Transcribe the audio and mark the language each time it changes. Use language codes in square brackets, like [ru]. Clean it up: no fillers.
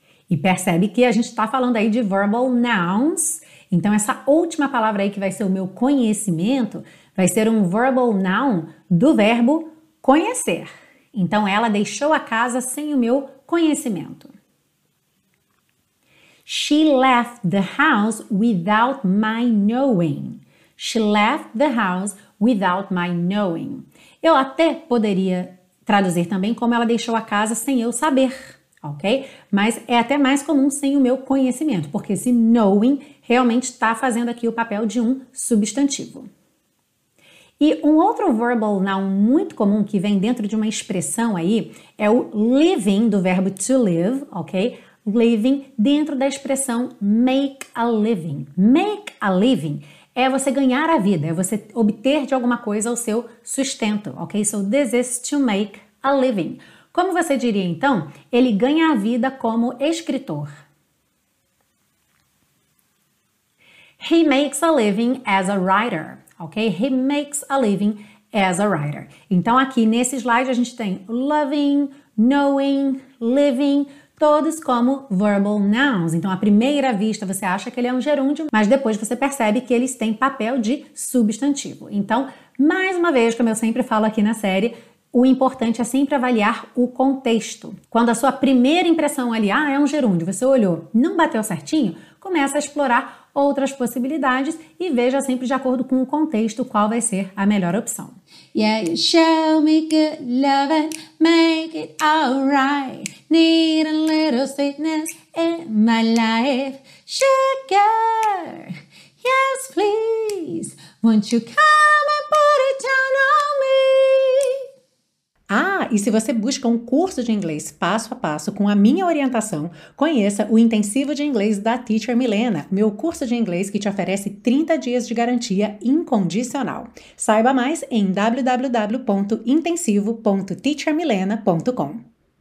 [pt] E percebe que a gente está falando aí de verbal nouns. Então essa última palavra aí que vai ser o meu conhecimento vai ser um verbal noun do verbo conhecer. Então ela deixou a casa sem o meu conhecimento. [en] She left the house without my knowing. She left the house without my knowing. [pt] Eu até poderia traduzir também como ela deixou a casa sem eu saber, ok? Mas é até mais comum sem o meu conhecimento, porque esse knowing realmente está fazendo aqui o papel de um substantivo. E um outro verbal noun muito comum que vem dentro de uma expressão aí é o living do verbo to live, ok? [en] Living [pt] dentro da expressão [en] make a living. Make a living [pt] é você ganhar a vida, é você obter de alguma coisa o seu sustento, ok? [en] So this is to make a living. [pt] Como você diria então? Ele ganha a vida como escritor. [en] He makes a living as a writer, ok? He makes a living as a writer. [pt] Então aqui nesse slide a gente tem loving, knowing, living, todos como verbal nouns. Então, à primeira vista, você acha que ele é um gerúndio, mas depois você percebe que eles têm papel de substantivo. Então, mais uma vez, como eu sempre falo aqui na série, o importante é sempre avaliar o contexto. Quando a sua primeira impressão ali, é um gerúndio, você olhou, não bateu certinho, começa a explorar outras possibilidades e veja sempre de acordo com o contexto qual vai ser a melhor opção. [en] Yeah, you show me good loving, make it all right. Need a little sweetness in my life. Sugar, yes please, won't you come and put it down on me? [pt] Ah, e se você busca um curso de inglês passo a passo com a minha orientação, conheça o Intensivo de Inglês da Teacher Milena, meu curso de inglês que te oferece 30 dias de garantia incondicional. Saiba mais em www.intensivo.teachermilena.com.